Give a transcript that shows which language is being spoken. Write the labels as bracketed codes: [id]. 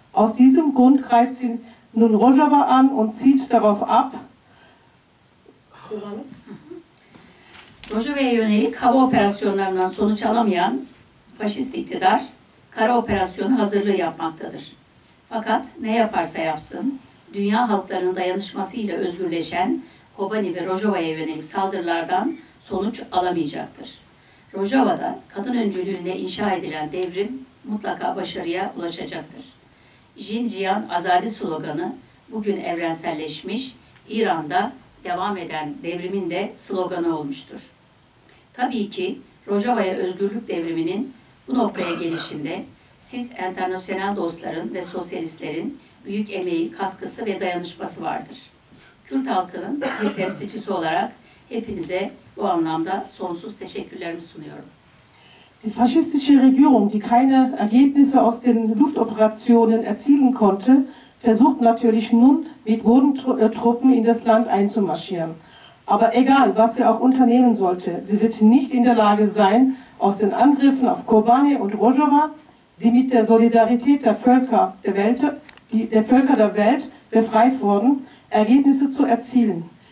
[de] Aus diesem Grund greift sie nun Rojava an und zielt darauf ab. [tr] Rojava'ya yönelik hava operasyonlarından sonuç alamayan faşist iktidar kara operasyonu hazırlığı yapmaktadır. Fakat ne yaparsa yapsın, dünya halklarının dayanışmasıyla özgürleşen Kobani ve Rojava'ya yönelik saldırılardan sonuç alamayacaktır. Rojava'da kadın öncülüğünde inşa edilen devrim mutlaka başarıya ulaşacaktır. Jinjiyan Azadi sloganı bugün evrenselleşmiş, İran'da devam eden devrimin de sloganı olmuştur. Tabii ki Rojava'ya özgürlük devriminin bu noktaya gelişinde siz internasyonel dostların ve sosyalistlerin büyük emeğin katkısı ve dayanışması vardır. Kürt halkının bir temsilcisi olarak hepinize bu anlamda sonsuz teşekkürlerimi sunuyorum. [de] Die faschistische Regierung, die keine Ergebnisse aus den Luftoperationen erzielen konnte, versucht natürlich nun mit Bodentruppen in das Land einzumarschieren. Aber egal, was sie auch unternehmen sollte, sie wird nicht in der Lage sein, aus den Angriffen auf Kobane und Rojava, die mit der Solidarität der Völker der Welt, befreit wurden, Ergebnisse zu erzielen.